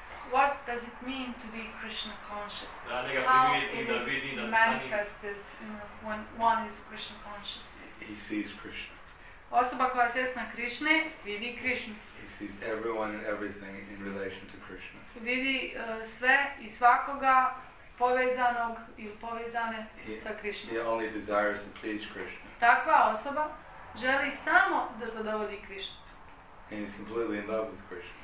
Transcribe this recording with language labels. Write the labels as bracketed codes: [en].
[en] What does it mean to be Krishna conscious? How it is manifested when one is Krishna conscious? He sees Krishna. [bs] Osoba koja je svjesna Krišne vidi Krišnu. [en] He sees everyone and everything in relation to Krishna. [bs] Vidi sve i svakoga povezanog ili povezane sa Krišnom. [en] He only desires to please Krishna. [bs] Takva osoba želi samo da zadovolji Krišnu. [en] And he's completely in love with Krishna.